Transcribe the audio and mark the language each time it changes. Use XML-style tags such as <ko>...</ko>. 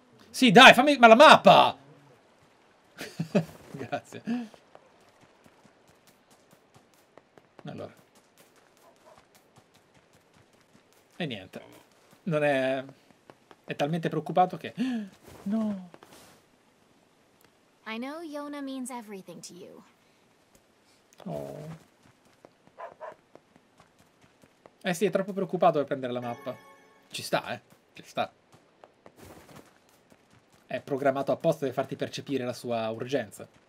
<it>Sì, dai, fammi. Ma la mappa! Grazie. Allora. E niente. Non è. È talmente preoccupato che. No.</it> <en>I know Yona means everything to you. Oh.</en> <it>Eh sì, è troppo preoccupato per prendere la mappa. Ci sta, ci sta. È programmato apposta per farti percepire la sua urgenza.</it>